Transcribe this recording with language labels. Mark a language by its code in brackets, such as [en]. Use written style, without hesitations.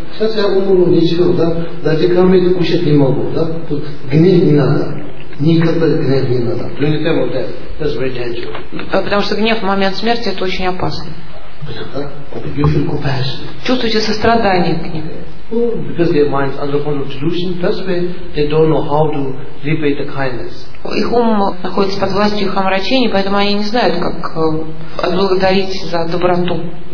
[ru] Сейчас я умру, ничего, да? Даже кормить кушать не могу, да? Тут гнев не надо. Никогда гнев не надо. [en] That's very dangerous. [ru] Потому что гнев в момент смерти — это очень опасно. [en] You feel compassion. [ru] Чувствуете сострадание к ним. [en] Because their minds are under control of delusion, that's why they don't know how to repay the kindness. [ru] Их ум находится под властью их омрачений, поэтому они не знают, как отблагодарить за доброту.